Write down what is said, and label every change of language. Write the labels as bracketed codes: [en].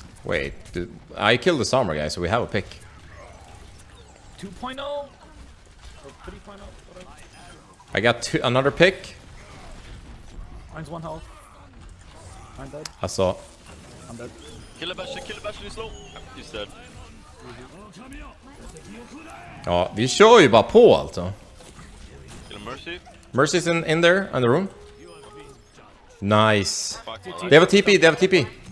[en] Wait, dude, I killed the Sommar guy, so we have a pick. 2.0? Or 3.0? I got two, another pick. Mine's one health. I'm dead. I saw. I'm dead. Kill the Bastion, kill the Bastion, he's low. He's dead. [sv] Ja, vi kör ju bara på alltså. [en] Mercy. Mercy's in there, in the room. Nice. They have a TP, they have a TP.